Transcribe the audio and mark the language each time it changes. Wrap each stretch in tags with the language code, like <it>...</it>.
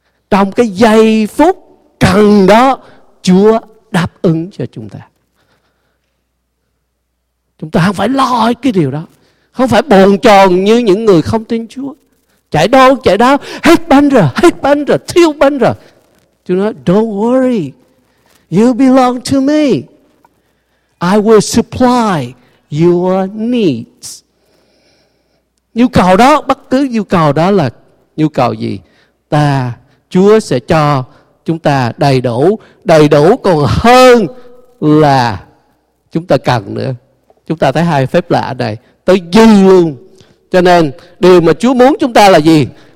<vi>Trong cái giây phút cần đó, Chúa đáp ứng cho chúng ta. Chúng ta không phải lo cái điều đó. Không phải bồn chồn như những người không tin Chúa. Chạy đâu, chạy đó, hết bánh rồi, thiếu bánh rồi. Chúa nói,</vi> <en>don't worry, you belong to me. I will supply your needs.</en> <vi>Nhu cầu đó, bất cứ nhu cầu đó là nhu cầu gì, ta, Chúa sẽ cho chúng ta đầy đủ còn hơn là chúng ta cần nữa. Chúng ta thấy hai phép lạ này, tới dư luôn. Cho nên, điều mà Chúa muốn chúng ta là gì?</vi>